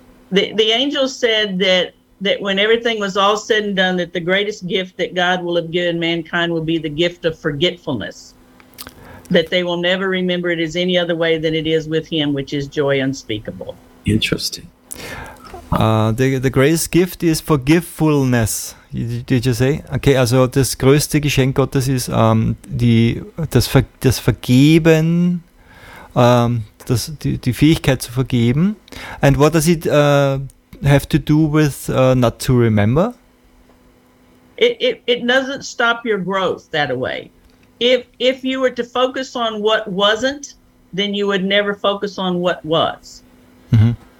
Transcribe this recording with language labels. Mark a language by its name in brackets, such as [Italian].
[English] The angel said that when everything was all said and done, that the greatest gift that God will have given mankind will be the gift of forgetfulness, that they will never remember it as any other way than it is with him, which is joy unspeakable. Interesting. The greatest gift is forgetfulness, did you say? [German] Okay, also das größte Geschenk Gottes ist das Vergeben, die Fähigkeit zu vergeben. [English] And what does it have to do with not to remember? It doesn't stop your growth that way. If you were to focus on what wasn't, then you would never focus on what was. Mm-hmm.